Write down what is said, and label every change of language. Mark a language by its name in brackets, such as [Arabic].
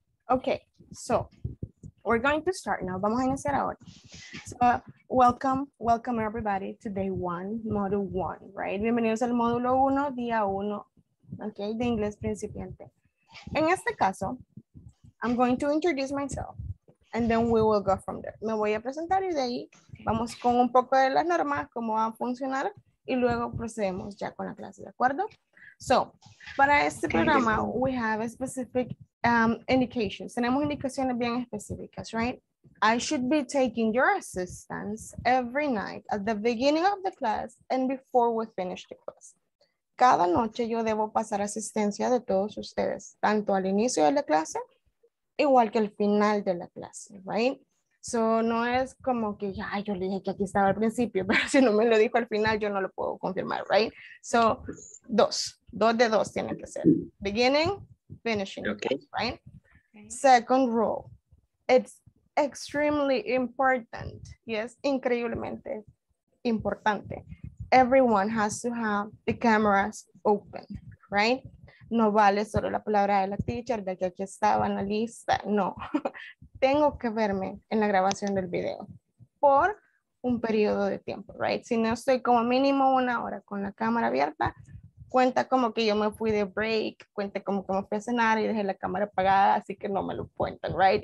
[English] Okay, so we're going to start now. [Spanish] Vamos a iniciar ahora. [English] So, welcome everybody to day one, module one, right? [Spanish] Bienvenidos al módulo uno, día uno, okay, de inglés principiante. En este caso, [English] I'm going to introduce myself and then we will go from there. [Spanish] Me voy a presentar y de ahí vamos con un poco de las normas, cómo va a funcionar y luego procedemos ya con la clase, ¿de acuerdo? [English] So, [Spanish] para este programa, [English] we have a specific indications. [Spanish] Tenemos indicaciones bien específicas, right? [English] I should be taking your assistance every night at the beginning of the class and before we finish the class. [Spanish] Cada noche yo debo pasar asistencia de todos ustedes, tanto al inicio de la clase, igual que al final de la clase, right? So, no es como que, ay, yo le dije que aquí estaba al principio, pero si no me lo dijo al final, yo no lo puedo confirmar, right? So, dos de dos tiene que ser. [English] Beginning, finishing, [Spanish] okay. Right? Okay. [English] Second rule, it's extremely important, yes, [Spanish] increíblemente importante. [English] Everyone has to have the cameras open, right? [Spanish] No vale solo la palabra de la teacher, de que aquí estaba en la lista, no. Tengo que verme en la grabación del video por un periodo de tiempo, right? Si no estoy como mínimo una hora con la cámara abierta, cuenta como que yo me fui de break, cuenta como que me fui a cenar y dejé la cámara apagada, así que no me lo cuentan, right?